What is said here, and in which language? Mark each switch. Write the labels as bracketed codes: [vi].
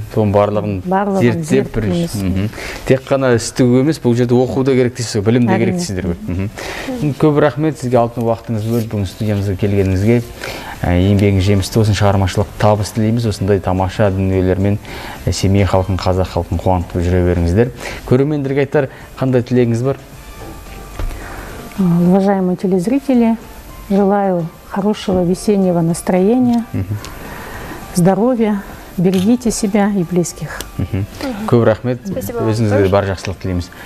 [kk] Соның барлығын зерттеп бірінші. Тек қана істігі емес, бұл жерде оқу да керек дейсіз, білім де керек дейсіздер. Көп рахмет сізге алтын уақытыңыз бөліп, бүгін студиямызға келгеніңізге. Еңбегіңіз жемісті болсын, шығармашылық табыс тілейміз. Осындай тамаша дүниелермен семей халқын, қазақ халқын қуантып жүре беріңіздер. Көрермендерге айтар қандай тілегіңіз бар? [ru] Уважаемые телезрители, желаю хорошего весеннего настроения. Здоровья, берегите себя и близких. [kk] Көп рахмет. Өзіңізге бар жақсылық тілейміз.